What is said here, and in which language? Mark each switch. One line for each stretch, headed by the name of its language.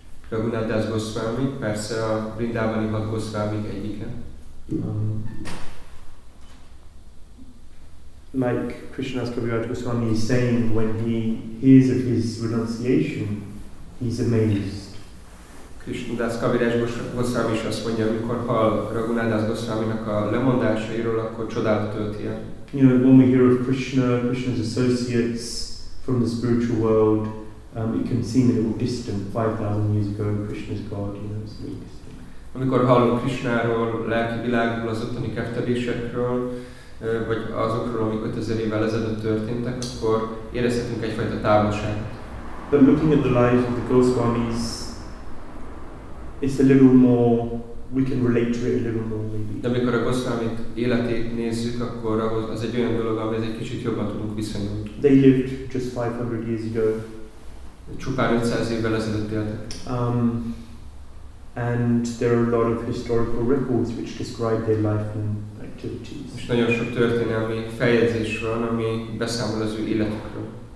Hungarian: Raghunath Das Goswami, persze a Vrindavani hat Goswami egyike.
English: Like Krishnadas Kaviraj Goswami is saying, when he hears of his renunciation, he's amazed.
Hungarian: Krishnadas Kaviraj Goswami is azt mondja, amikor hall Raghunath Das Goswaminak a lemondásairól, akkor csodát tölti el.
English: You know, when we hear of Krishna, Krishna's associates from the spiritual world, it can seem a little distant. 5,000 years ago, Krishna's God, you know, it's really distant.
Hungarian: Amikor hallunk Krishnáról, lelki világról, az ottani keftedésekről, vagy azokról, amik 5000 évvel ezelőtt történtek, akkor érezhetünk egyfajta távolságot.
English: But looking at the lives of the Goswamis, it's a little more... We can relate to it a little more, maybe.
Hungarian: De amikor a Goswamit életét nézzük, akkor az egy olyan dolog, amely egy kicsit jobban tudunk viszonyulni.
English: They lived just 500 years ago.
Hungarian: Csupán 500 évvel ezelőtt éltek.
English: And there are a lot of historical records which describe their life and activities.
Hungarian: És nagyon sok történelmi feljegyzés van, ami beszámol az ő életükről.